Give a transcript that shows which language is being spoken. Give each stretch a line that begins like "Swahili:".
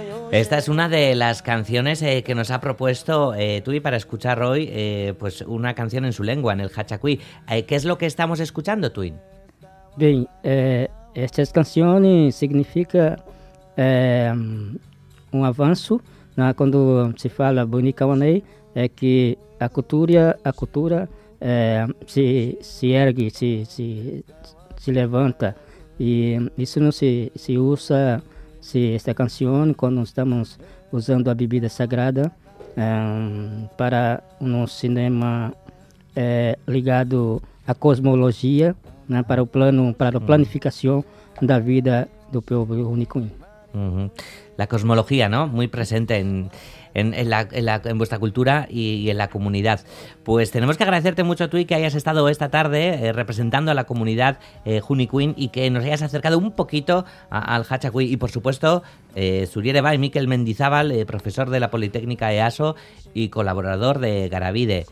Spanish: Esta es una de las canciones que nos ha propuesto Tui para escuchar hoy, pues una canción en su lengua, en el Hachacuí. ¿Qué es lo que estamos escuchando, Tui? Bien, estas canciones significan un avance, ¿no? Cuando se habla Bunikawanei, es que la cultura se ergue, se levanta,
Portuguese: e isso não se usa, se esta canção, quando estamos usando a bebida sagrada para um cinema ligado à cosmologia, né, para o plano, para a planificação da vida do povo Onikuin.
Spanish: La cosmología, ¿no? Muy presente en vuestra cultura y en la comunidad. Pues tenemos que agradecerte mucho, Tui, que hayas estado esta tarde representando a la comunidad Junicuin y que nos hayas acercado un poquito al Hachacuí. Y, por supuesto, Zuriere Bai, Mikel Mendizábal, profesor de la Politécnica EASO y colaborador de Garavide.